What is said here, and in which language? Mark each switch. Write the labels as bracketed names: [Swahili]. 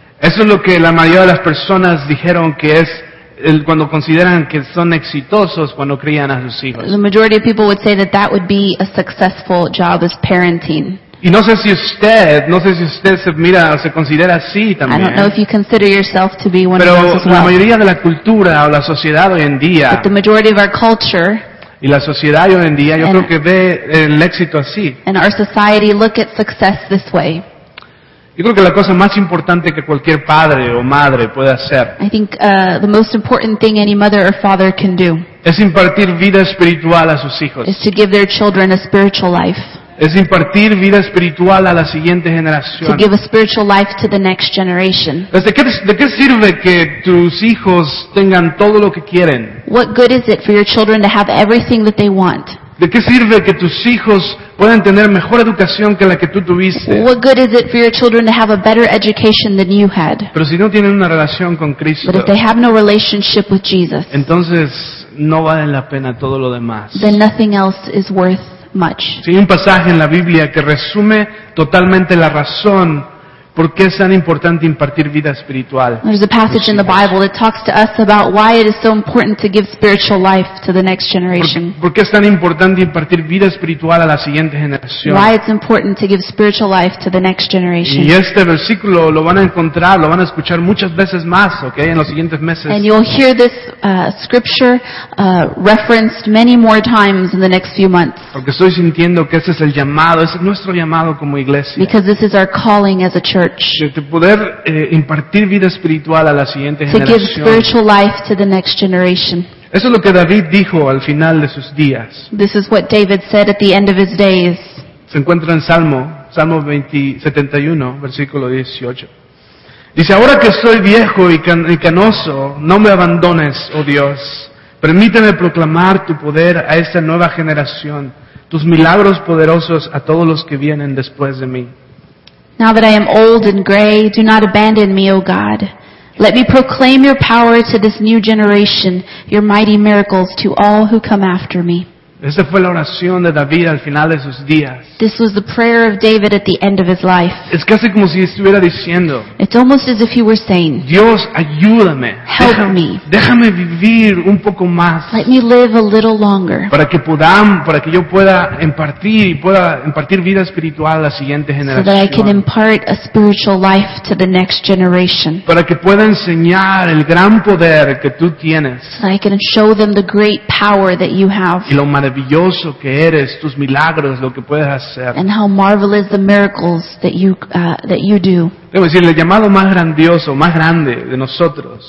[Spanish] Eso es lo que la mayoría de las personas dijeron que es cuando consideran que son exitosos cuando crían a sus hijos. [English] The majority of people would say that that would be a successful job as parenting. [Spanish] Y no sé si usted se mira o se considera así también. [English] I don't know if you consider yourself to be one of those as well. [Spanish] Pero la mayoría de la cultura o la sociedad hoy en día. [English] But the majority of our culture. [Spanish] Y la sociedad hoy en día, creo que ve el éxito así. [English] And our society look at success this way. [Spanish] Yo creo que la cosa más importante que cualquier padre o madre puede hacer. [English] I think the most important thing any mother or father can do. [Spanish] Es impartir vida espiritual a sus hijos. [English] Is to give their children a spiritual life. [Spanish] Es impartir vida espiritual a la siguiente generación. [English] To give a spiritual life to the next generation. [Spanish] ¿De qué sirve que tus hijos tengan todo lo que quieren? [English] What good is it for your children to have everything that they want? [Spanish] ¿De qué sirve que tus hijos puedan tener mejor educación que la que tú tuviste? [English] What good is it for your children to have a better education than you had? [Spanish] Pero si no tienen una relación con Cristo. [English] But if they have no relationship with Jesus. [Spanish] Entonces no vale la pena todo lo demás. [English] Then nothing else is worth much. [Spanish] Sí, hay un pasaje en la Biblia que resume totalmente la razón por qué es tan importante impartir vida espiritual. [English] There's a passage in the Bible that talks to us about why it is so important to give spiritual life to the next generation. [Spanish] ¿Por qué es tan importante impartir vida espiritual a la siguiente generación? [English] Why it's important to give spiritual life to the next generation. [Spanish] Y este versículo lo van a encontrar, lo van a escuchar muchas veces más, okay, en los siguientes meses. [English] And you'll hear this scripture referenced many more times in the next few months. [Spanish] Porque estoy sintiendo que ese es el llamado, ese es nuestro llamado como iglesia. [English] Because this is our calling as a church. [Spanish] De poder impartir vida espiritual a la siguiente generación. [English] To give spiritual life to the next generation. [Spanish] Eso es lo que David dijo al final de sus días. [English] This is what David said at the end of his days. [Spanish] Se encuentra en Salmo 71, versículo 18. Dice, ahora que soy viejo y canoso, no me abandones, oh Dios. Permíteme proclamar tu poder a esta nueva generación, tus milagros poderosos a todos los que vienen después de mí. [English] Now that I am old and gray, do not abandon me, O God. Let me proclaim your power to this new generation, your mighty miracles to all who come after me. [Spanish] Esa fue la oración de David al final de sus días. [English] This was the prayer of David at the end of his life. [Spanish] Es casi como si estuviera diciendo. [English] It's almost as if he were saying. [Spanish] Dios, ayúdame. [English] Help me. [Spanish] Déjame vivir un poco más. [English] Let me live a little longer. [Spanish] Para que yo pueda impartir vida espiritual a la siguiente generación. [English] So that I can impart a spiritual life to the next generation. [Spanish] Para que pueda enseñar el gran poder que tú tienes. [English] So I can show them the great power that you have. [Spanish] Maravilloso que eres, tus milagros, lo que puedes hacer. [English] And how marvelous the miracles that you do. [Spanish] Debo decir, el llamado más grandioso, más grande de nosotros.